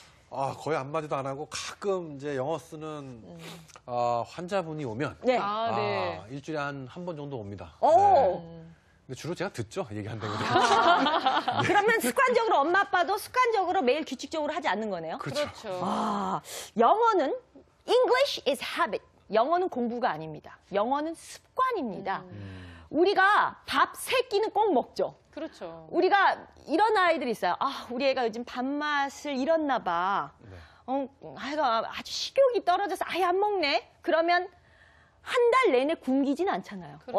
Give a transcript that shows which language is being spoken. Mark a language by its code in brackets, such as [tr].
[ko] 아, 거의 한마디도 안 하고 가끔 이제 영어 쓰는 환자분이 오면 네. 아, 네. 아, 일주일에 한 한 번 정도 옵니다. 오. 네. 근데 주로 제가 듣죠, 얘기한다고. 네. 그러면 습관적으로 엄마 아빠도 습관적으로 매일 규칙적으로 하지 않는 거네요. 그렇죠. 아, 영어는 [en] English is habit. [ko] 영어는 공부가 아닙니다. 영어는 습관입니다. 우리가 밥 세 끼는 꼭 먹죠. 그렇죠. 우리가 이런 아이들이 있어요. 아, 우리 애가 요즘 밥맛을 잃었나 봐. 네. 아이가 아주 식욕이 떨어져서 아예 안 먹네. 그러면 한 달 내내 굶기진 않잖아요. 그렇죠.